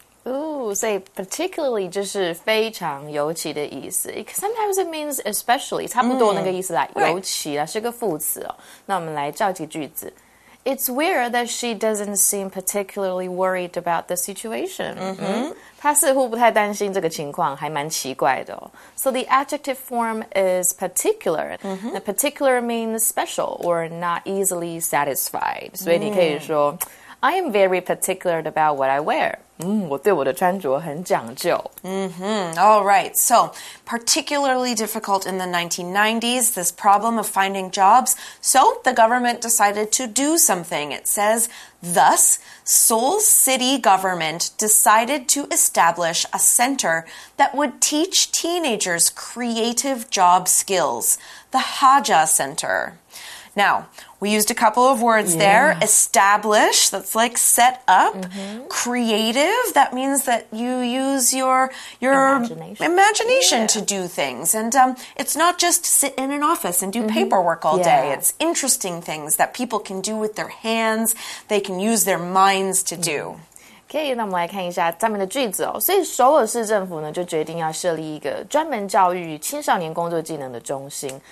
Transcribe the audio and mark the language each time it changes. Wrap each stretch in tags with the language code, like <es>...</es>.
<en>Ooh, so particularly</en> <zh>就是非常尤其的意思。</zh> <en>Sometimes it means especially,</en> <zh>差不多那个意思啦。尤其啦，是个副词哦。那我们来造几句子。</zh> <en>It's weird that she doesn't seem particularly worried about the situation.</en> <zh>她似乎不太担心这个情况，还蛮奇怪的哦。</zh> <en>So the adjective form is particular. Particular means special or not easily satisfied.</en> <zh>所以你可以说</zh> <en>I am very particular about what I wear.</en> <zh>我对我的穿着很讲究。</zh> <en>All right. So, particularly difficult in the 1990s, this problem of finding jobs. So, the government decided to do something. It says, thus, Seoul city government decided to establish a center that would teach teenagers creative job skills, the Haja Center. Now,We used a couple of words there. Establish, that's like set up. Creative, that means that you use your imagination to do things. And it's not just sit in an office and do paperwork all day. It's interesting things that people can do with their hands. They can use their minds to do.</en> <zh>可以，那我们来看一下他们的句子哦。所以首尔市政府呢，就决定要设立一个专门教育青少年工作技能的中心。</zh>